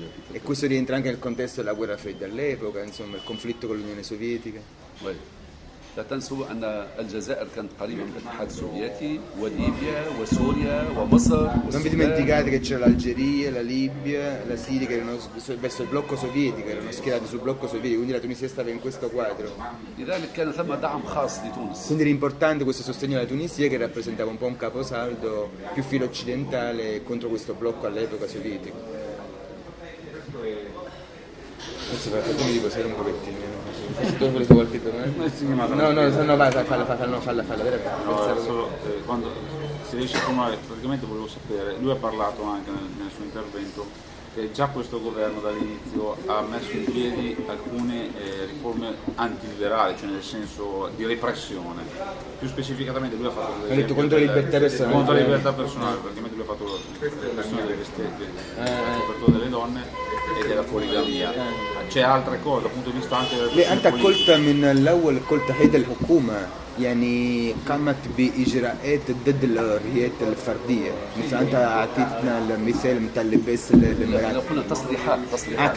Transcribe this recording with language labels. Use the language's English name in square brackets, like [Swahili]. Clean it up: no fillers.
[Italian] E questo rientra anche nel contesto della guerra fredda all'epoca, insomma, il conflitto con l'Unione Sovietica. [Arabic] لا تنسوا أن الجزائر كانت قريبة من الاتحاد السوفيتي وليبيا وسوريا ومصر. [Italian] Non vi dimenticate che c'era l'Algeria, la Libia, la Siria che erano verso il blocco sovietico, erano schierati sul blocco sovietico, quindi la Tunisia stava in questo quadro. [Arabic] لذلك كان ثم دعم خاص لتونس. [Italian] Quindi era importante questo sostegno alla Tunisia che rappresentava un po' un caposaldo più filo occidentale contro questo blocco all'epoca sovietico. Forse per fortuna di cos'era un pochettino. Se tu volete qualche domanda? No, no, no, vai, vai, falla. No, solo, quando si riesce a formulare, praticamente volevo sapere, lui ha parlato anche nel suo intervento, che già questo governo dall'inizio ha messo in piedi alcune riforme antiliberali, cioè nel senso di repressione. Più specificatamente lui ha fatto... Ha detto contro la libertà personale. Contro la libertà personale, praticamente lui ha fatto la repressione delle vestiti, soprattutto delle donne e della poligamia. C'è altre cose dal punto di vista anche della repressione. Lei ha colta min l'awel colta hai del hukuma. [Arabic] يعني قامت بإجراءات ضد الحريات الفردية مثل أنت أعطيتنا المثال متاع اللباس للمرأة نحن قلنا تصريحات